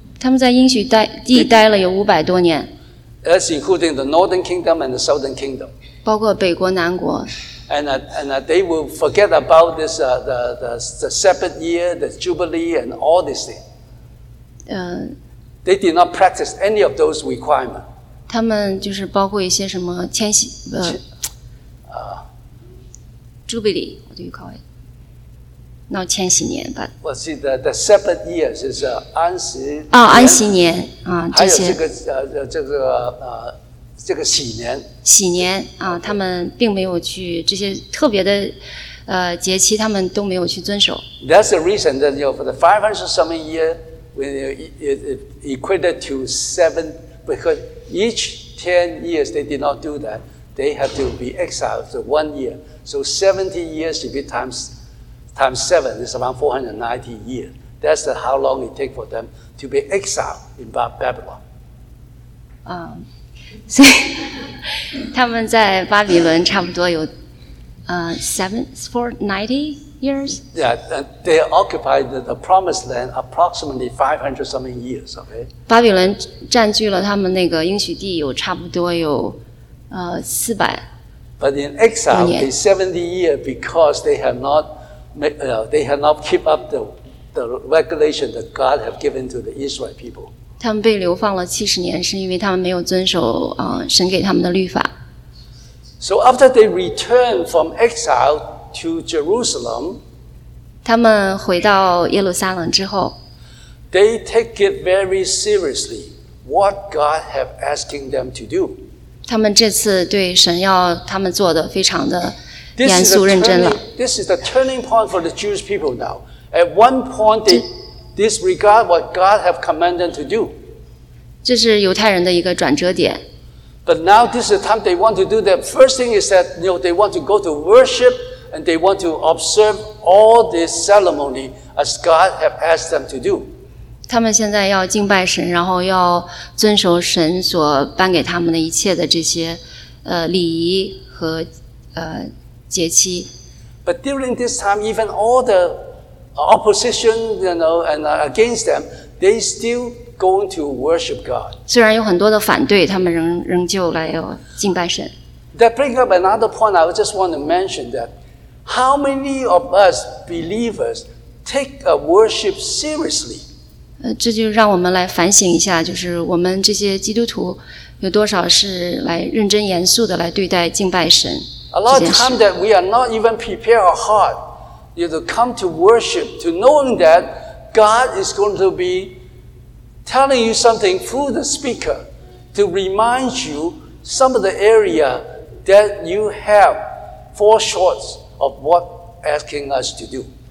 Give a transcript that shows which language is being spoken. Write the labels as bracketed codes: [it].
[zh] 他们在应许地待了有五百多年。 [en] That's including the Northern Kingdom and the Southern Kingdom. [zh] 包括北国南国。 [en] And they will forget about this, the Sabbath year, the Jubilee, and all these things. They did not practice any of those requirements. [zh] 他们就是包括一些什么迁徙， [en] Jubilee, what do you call it? Not [zh] 千禧年 [en] but... Well, see, the Sabbath years is [zh] 安息年。安息年。还有这个禧年。禧年。他们并没有去这些特别的节期他们都没有去遵守。 [en] That's the reason that, you know, for the 500 some year, when it equated to seven, because each 10 years they did not do that, they have to be exiled for one year. So 70 years, if it times seven, is about 490 years. That's how long it takes for them to be exiled in Babylon. [zh] 所以他们在巴比伦差不多有490 [en] years? Yeah, they occupied the promised land approximately 500 something years, okay? [zh] 巴比伦占据了他们那个应许地有差不多有400 [en] But in exile, they 70 years because they have not kept up the regulation that God has given to the Israelite people. [zh] 他们被流放了70年是因为他们没有遵守神给他们的律法。 [en] So after they return from exile to Jerusalem, [zh] 他们回到耶路撒冷之后, [en] they take it very seriously what God has asking them to do. [zh] 他们这次对神要他们做的非常的严肃认真了。 [en] This is the turning point for the Jewish people now. At one point, they disregard what God has commanded them to do. [zh] 这是犹太人的一个转折点。 [en] But now this is the time they want to do that. First thing is that, you know, they want to go to worship and they want to observe all this ceremony as God has asked them to do. [zh] 他们现在要敬拜神，然后要遵守神所颁给他们的一切的这些礼仪和节期。 [en] But during this time, even all the opposition, you know, and against them, they still... going to worship God. [zh] 虽然有很多的反对，他们仍旧来要敬拜神。 [en] That brings up another point. I just want to mention that how many of us believers take a worship seriously? [zh] 这就让我们来反省一下，就是我们这些基督徒有多少是来认真严肃的来对待敬拜神。 [en] A lot of time that we are not even prepare our heart, you know, to come to worship, to knowing that God is going to be. Telling you something through the speaker to remind you some of the area that you have fall short of what asking us to do.